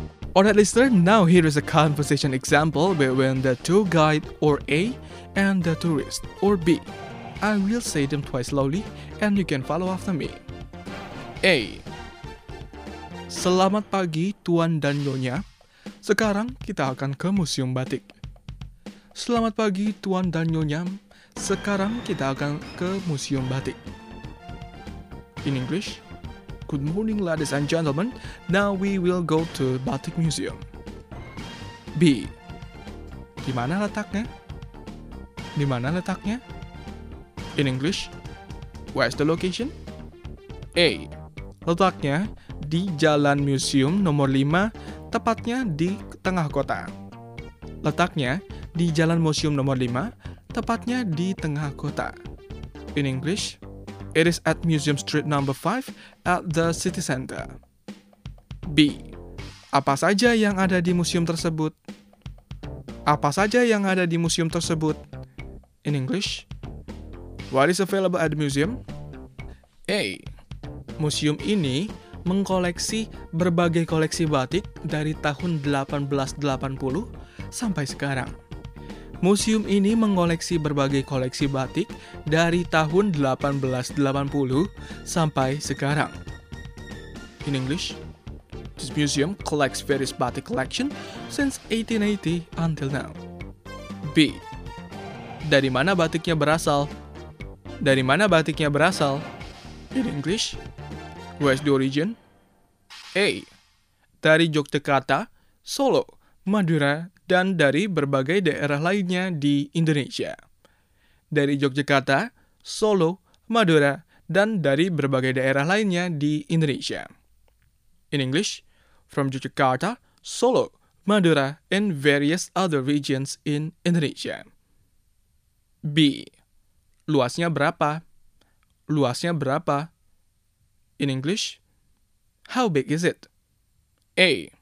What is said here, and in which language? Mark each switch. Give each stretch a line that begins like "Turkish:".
English: Alright, listener, now here is a conversation example between the tour guide or A and the tourist or B. I will say them twice slowly and you can follow after me. A.
Indonesian: Selamat pagi Tuan dan Nyonya. Sekarang kita akan ke Museum Batik. Selamat pagi Tuan dan Nyonya. Sekarang kita akan ke Museum Batik.
English: In English, good morning, ladies and gentlemen. Now we will go to Batik Museum. B.
Indonesian: Di mana letaknya? Di mana letaknya?
English: In English, where's the location?
Indonesian: A. Letaknya di Jalan Museum nomor 5, tepatnya di tengah kota. Letaknya di Jalan Museum nomor 5, tepatnya di tengah kota.
English: In English, it is at Museum Street No. 5 at the city center. B.
Indonesian: Apa saja yang ada di museum tersebut? Apa saja yang ada di museum tersebut?
English: In English, what is available at the museum? A.
Indonesian: Museum ini mengkoleksi berbagai koleksi batik dari tahun 1880 sampai sekarang. Museum ini mengoleksi berbagai koleksi batik dari tahun 1880 sampai sekarang.
English: In English, this museum collects various batik collection since 1880 until now. B.
Indonesian: Dari mana batiknya berasal? Dari mana batiknya berasal?
English: In English, where's the origin? A.
Indonesian: Dari Yogyakarta, Solo, Madura, dan dari berbagai daerah lainnya di Indonesia. Dari Yogyakarta, Solo, Madura, dan dari berbagai daerah lainnya di Indonesia.
English: In English, from Yogyakarta, Solo, Madura, and various other regions in Indonesia.
Indonesian: B. Luasnya berapa? Luasnya berapa?
English: In English, how big is it? A.